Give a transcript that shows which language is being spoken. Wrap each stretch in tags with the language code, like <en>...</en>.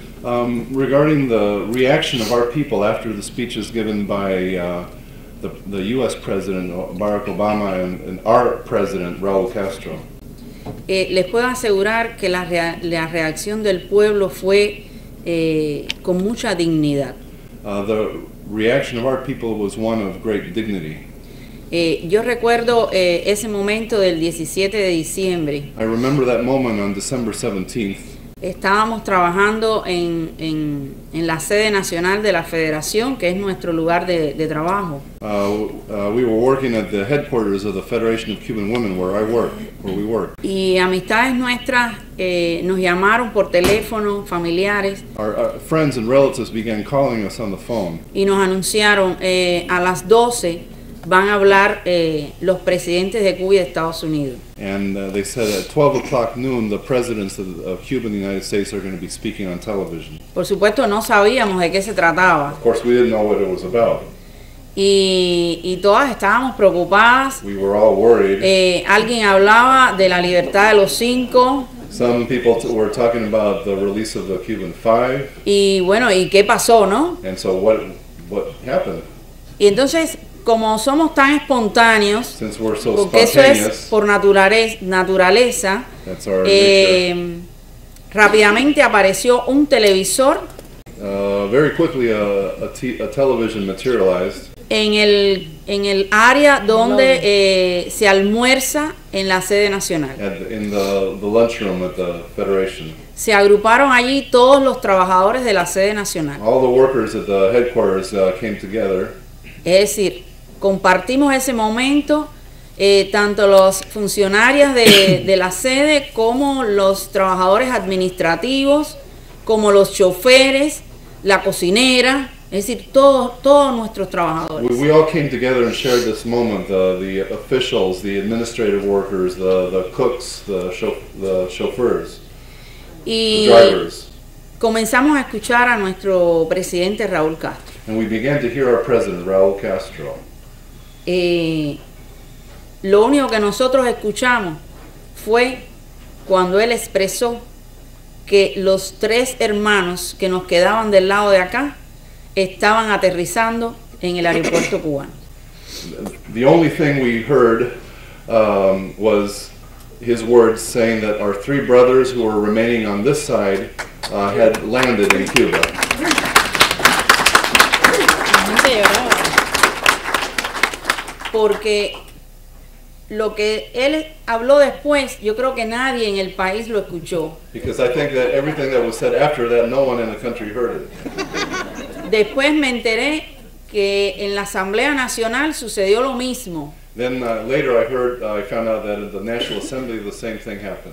<en>Regarding the reaction of our people after the speeches given by the U.S. President Barack Obama and our President Raúl Castro.</en> <es>Les puedo asegurar que la reacción del pueblo fue con mucha dignidad.</es> <en>The reaction of our people was one of great dignity.</en> <es>Yo recuerdo ese momento del 17 de diciembre.</es> <en>I remember that moment on December 17th.</en> <es>Estábamos trabajando en la sede nacional de la Federación, que es nuestro lugar de trabajo.</es> <en>We were working at the headquarters of the Federation of Cuban Women, where we work.</en> <es>Y amistades nuestras nos llamaron por teléfono, familiares.</es> <en>Our friends and relatives began calling us on the phone.</en> <es>Y nos anunciaron a las 12 van a hablar los presidentes de Cuba y de Estados Unidos.</es> <en>And they said at 12 o'clock noon, the presidents of Cuba and the United States are going to be speaking on television.</en> <es>Por supuesto, no sabíamos de qué se trataba.</es> <en>Of course, we didn't know what it was about.</en> <es>Y todas estábamos preocupadas.</es> <en>We were all worried.</en> <es>Alguien hablaba de la libertad de los cinco.</es> <en>Some people were talking about the release of the Cuban Five.</en> <es>Y bueno, ¿y qué pasó, no?</es> <en>And so what happened?</en> <es>Y entonces, como somos tan espontáneos,</es> <en>since we're so</en> <es>porque eso es por naturaleza,</es> <en>that's our</en> <es>rápidamente apareció un televisor.</es> <en>Very quickly, a television materialized.</en> <es>En el área donde se almuerza en la sede nacional.</es> <en>In the lunchroom at the Federation.</en> <es>Se agruparon allí todos los trabajadores de la sede nacional.</es> <en>All the workers at the headquarters came together.</en> <es>Es decir, compartimos ese momento tanto los funcionarios de la sede como los trabajadores administrativos, como los choferes, la cocinera, es decir, todos nuestros trabajadores.</es> <en>We all came together and shared this moment, the officials, the administrative workers, the cooks, the chauffeurs,</en> <es>y</es> <en>the drivers.</en> <es>Comenzamos a escuchar a nuestro presidente Raúl Castro.</es> <en>And we began to hear our president, Raúl Castro.</en> <es>Lo único que nosotros escuchamos fue cuando él expresó que los tres hermanos que nos quedaban del lado de acá estaban aterrizando en el aeropuerto cubano.</es> <en>The only thing we heard was his words saying that our three brothers who were remaining on this side had landed in Cuba.</en> <es>Porque lo que él habló después, yo creo que nadie en el país lo escuchó.</es> <en>Because I think that everything that was said after that, no one in the country heard it.</en> <es>Después me enteré que en la Asamblea Nacional sucedió lo mismo.</es> <en>Then later I found out that in the National Assembly the same thing happened.</en>